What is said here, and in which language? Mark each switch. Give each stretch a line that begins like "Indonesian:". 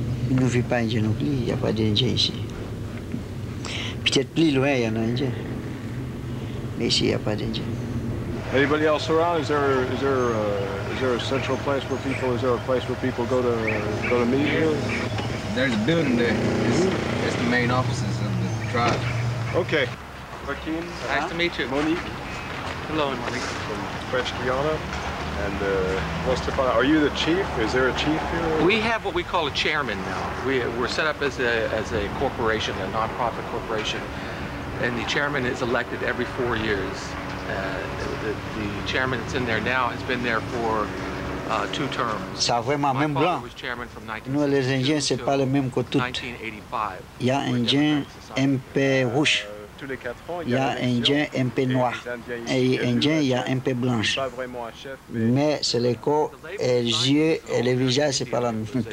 French: Il ne vit pas indien non plus, il n'y a pas d'indien ici. Peut-être plus loin, il y en a un indien. Mais ici, il n'y a pas d'indien.
English: Anybody else around? Is there a central place where people, is there a place where people go to meet here? There's a building there. It's the main offices of the tribe. Okay. Joachim. Nice to meet you. Monique. Hello, Monique. From French Guiana. And most of all, are you the chief? Is there a chief here? We have what we call a chairman now. We're set up as a corporation, a nonprofit corporation, and the chairman is elected every 4 years. The chairman that's in there now has been there for 2 terms.
French: C'est vraiment
English: My
French: même blanc. Nous, les Indiens, c'est pas le même que tout. Il y a un Indien un peu rouge. Il y a un Indien un peu noir. Et Indien, il y a un peu blanche. Mais c'est le corps, et les yeux et les visages, c'est pas la même.